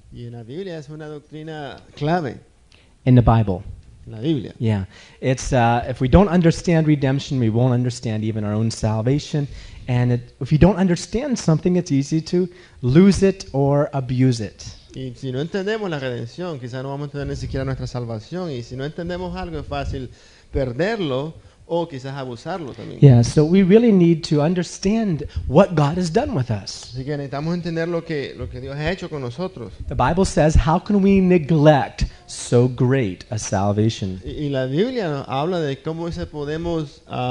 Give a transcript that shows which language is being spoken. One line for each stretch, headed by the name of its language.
Spanish: Y en la Biblia es una doctrina clave.
English: In the Bible.
Spanish: La Biblia.
English: Yeah. It's if we don't understand redemption, we won't understand even our own salvation. And it, if you don't understand something, it's easy to lose it or abuse it.
Spanish: Y si no entendemos la redención, quizá no vamos a tener ni siquiera nuestra salvación. Y si no entendemos algo, es fácil perderlo o quizás abusarlo también.
English: Yeah, so we really need to understand what God has done with us.
Spanish: Así que necesitamos entender lo que Dios ha hecho con nosotros.
English: The Bible says, how can we neglect so great a salvation?
Spanish: Y la Biblia habla de cómo se podemos